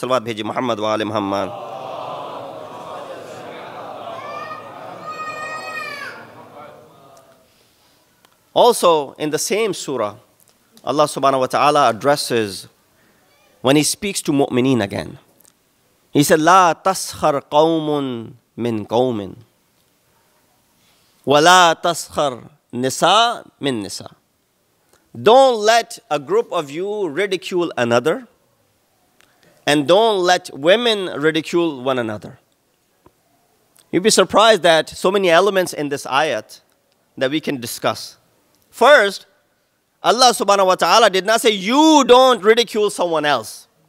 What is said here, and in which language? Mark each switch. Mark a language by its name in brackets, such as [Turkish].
[English] Salawat bheji Muhammad wa ali Muhammad. Also, in the same surah, Allah subhanahu wa ta'ala addresses when he speaks to mu'mineen again. He said, [Arabic] لا تسخر قوم من قوم ولا تسخر نساء من نساء. [English] Don't let a group of you ridicule another, and don't let women ridicule one another. You'd be surprised that so many elements in this ayat that we can discuss. First, Allah subhanahu wa ta'ala did not say, you don't ridicule someone else.